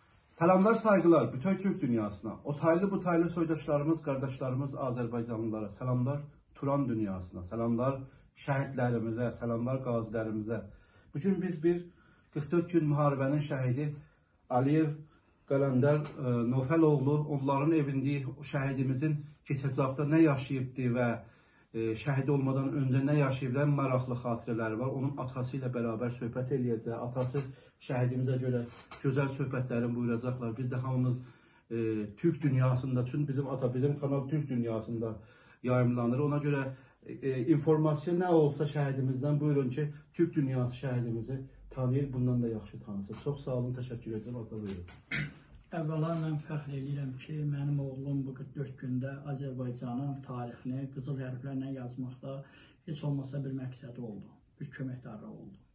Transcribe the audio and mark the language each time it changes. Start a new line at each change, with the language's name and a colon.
Turkish: Selamlar, saygılar bütün Türk dünyasına. O taylı bu taylı soydaşlarımız, kardeşlerimiz Azerbaycanlılara selamlar. Turan dünyasına selamlar, şehitlerimize selamlar, gazilerimize.
Azerbaijani: Bugün biz bir 44 gün müharibənin şehidi Aliyev Qələndər Nofeloğlu, onların evinde şehidimizin keçəcəkdə nə yaşayıbdı və şehid olmadan öncə nə yaşayıbdı, nə maraqlı xatirələri var. Onun atası ilə bərabər söhbət eləyəcək. Atası şehidimizə görə gözəl söhbətlərini buyuracaqlar. Biz də hamımız Türk dünyasında, çünkü bizim ata, bizim kanal Türk dünyasında yayımlanır. Ona görə informasiya nə olsa şehidimizdən, buyurun ki, Türk dünyası şehidimizi tanıyır, bundan da yaxşı tanısın. Çox sağ olun, təşəkkür edirəm, ata, buyurun. Əvvəla mən fəxr edirəm ki, mənim oğlum bu 44 gündə Azərbaycanın tarixini qızıl hərflərlə yazmaqda heç olmasa bir məqsədi oldu, bir köməkdarı oldu.